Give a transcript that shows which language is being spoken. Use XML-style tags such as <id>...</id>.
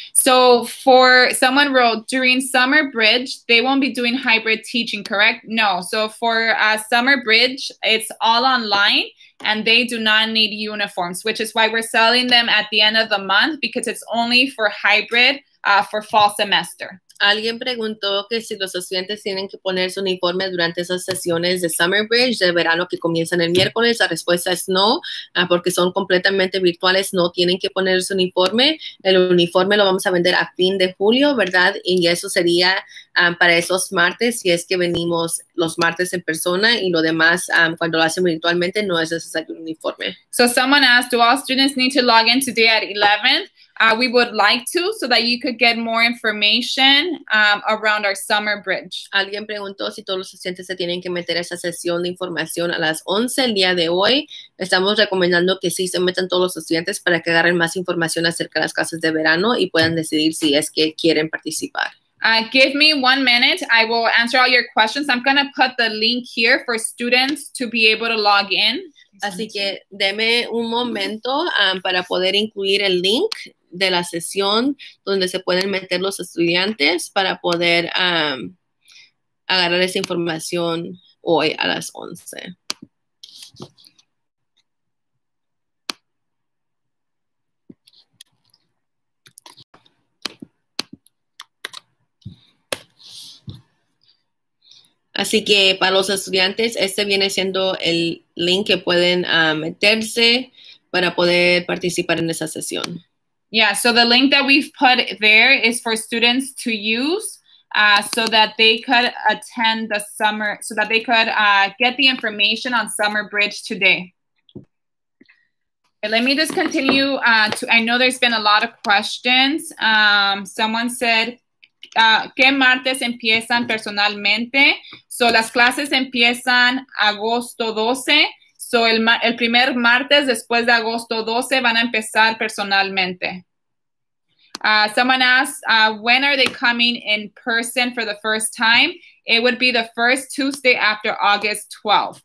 <en>So for someone wrote, during summer bridge, they won't be doing hybrid teaching, correct? No. So for summer bridge, it's all online and they do not need uniforms, which is why we're selling them at the end of the month because it's only for hybrid for fall semester.</en> <es>Alguien preguntó que si los estudiantes tienen que poner su uniforme durante esas sesiones de Summer Bridge de verano que comienzan el miércoles. La respuesta es no, porque son completamente virtuales, no tienen que poner su uniforme. El uniforme lo vamos a vender a fin de julio, ¿verdad? Y eso sería para esos martes, si es que venimos los martes en persona y lo demás, cuando lo hacen virtualmente, no es necesario un uniforme.</es> <en>So someone asked, do all students need to log in today at 11? We would like to, so that you could get more information around our summer bridge.</en> <es>Alguien preguntó si todos los estudiantes se tienen que meter a esa sesión de información a las 11 el día de hoy. Estamos recomendando que sí se metan todos los estudiantes para que agarren más información acerca de las clases de verano y puedan decidir si es que quieren participar.</es> <en>Give me 1 minute. I will answer all your questions. I'm going to put the link here for students to be able to log in.</en> <es>Así que deme un momento para poder incluir el link de la sesión donde se pueden meter los estudiantes para poder agarrar esa información hoy a las 11. Así que para los estudiantes, este viene siendo el link que pueden meterse para poder participar en esa sesión.</es> <en>Yeah, so the link that we've put there is for students to use so that they could attend the summer, so that they could get the information on Summer Bridge today. Let me just continue to, I know there's been a lot of questions. Someone said,</en> <es>¿qué martes empiezan personalmente? So las clases empiezan agosto 12. So el primer martes después de agosto 12 van a empezar personalmente.</es> <en>Someone asked, when are they coming in person for the first time? It would be the first Tuesday after August 12th,</en>